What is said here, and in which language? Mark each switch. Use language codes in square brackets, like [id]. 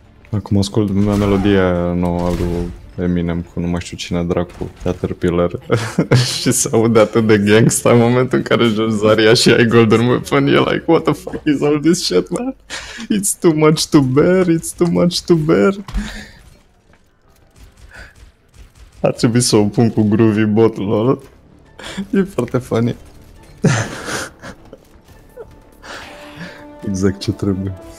[ro] Acum ascult o melodie nouă a lui Eminem cu nu mai știu cine dracu, Caterpillar. Și se aude atât de gangsta în momentul în care joci Zarya și ai Golden Weapon. [en] E like, what the fuck is all this shit, man? It's too much to bear, it's too much to bear. [ro] Ar trebui să o pun cu Groovy Bot, lol. E foarte funny. Exact ce trebuie.